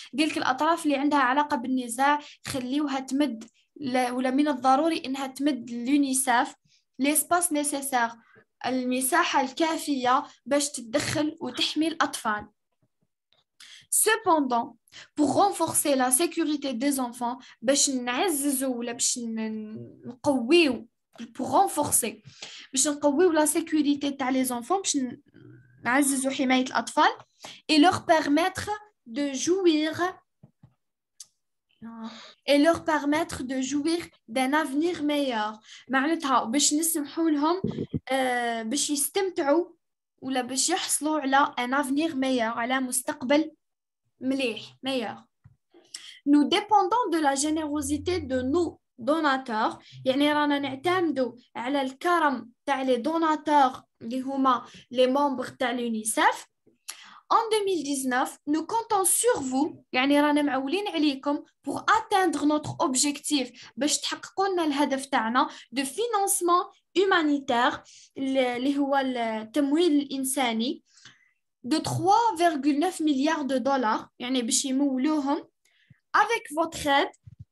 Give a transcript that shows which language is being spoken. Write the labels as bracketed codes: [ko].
[ar] قلك الأطراف اللي عندها علاقة بالنزاع خليوها تمد ولا من الضروري إنها تمد لUNICEF [fr] l'espace nécessaire, [ar] المساحة الكافية باش تدخل وتحمي الأطفال. [fr] Cependant, pour renforcer la sécurité des enfants, [ar] باش نعززو ولا باش نقويو, [fr] pour renforcer, [ar] باش نقويو [fr] la sécurité [ar] تاع [fr] les enfants, [ar] باش نعززو حماية الأطفال, [fr] et leur permettre de jouir et leur permettre de jouir d'un avenir meilleur. [ar] معناتها باش نسمحوا لهم باش يستمتعوا ولا باش يحصلوا على [fr] un avenir meilleur, [ar] على مستقبل مليح, [fr] meilleur. Nous dépendons de la générosité de nos donateurs. [ar] يعني رانا نعتمدوا على الكرم تاع لي [fr] donateurs [ar] اللي هما [fr] les membres [ar] تاع l'UNICEF. [fr] En 2019, nous comptons sur vous, [ar] يعني رانا معولين عليكم, [fr] pour atteindre notre objectif, [ar] باش تحققوا لنا الهدف تاعنا, [fr] de financement humanitaire, [ar] اللي هو التمويل الإنساني, [fr] de 3,9 milliards de dollars, [ar] يعني باش يمولوهم, [fr] avec votre aide,